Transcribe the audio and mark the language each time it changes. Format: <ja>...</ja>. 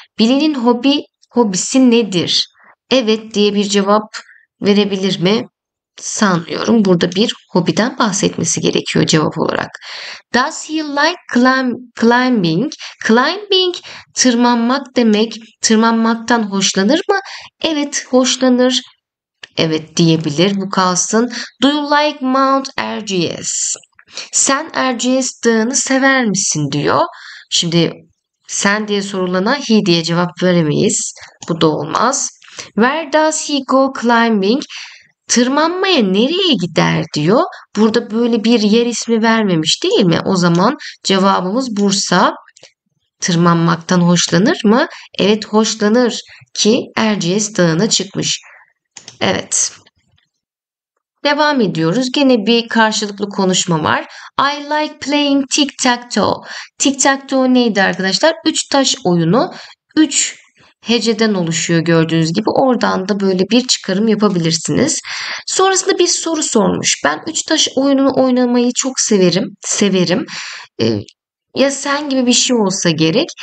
<tr>Billy'nin hobisi nedir? Evet diye bir cevap verebilir mi? Sanmıyorum. Burada bir hobiden bahsetmesi gerekiyor cevap olarak.</tr> <en>Does he like climbing?</en> <tr>Climbing tırmanmak demek. Tırmanmaktan hoşlanır mı? Evet, hoşlanır. Evet diyebilir. Bu kalsın.</tr> <en>Do you like Mount Erciyes?</en> <tr>Sen Erciyes dağını sever misin diyor. Şimdi sen diye sorulana he diye cevap veremeyiz. Bu da olmaz.</tr> <en>Where does he go climbing?</en> <tr>Tırmanmaya nereye gider diyor. Burada böyle bir yer ismi vermemiş değil mi? O zaman cevabımız Bursa. Tırmanmaktan hoşlanır mı? Evet, hoşlanır ki Erciyes dağına çıkmış. Evet. Devam ediyoruz. Gene bir karşılıklı konuşma var.</tr> <en>I like playing tic-tac-toe.</en> <tr>Tic-tac-toe neydi arkadaşlar? Üç taş oyunu. Üç heceden oluşuyor gördüğünüz gibi. Oradan da böyle bir çıkarım yapabilirsiniz. Sonrasında bir soru sormuş. Ben üç taş oyununu oynamayı çok severim. Severim. Ya sen gibi bir şey olsa gerek.</tr>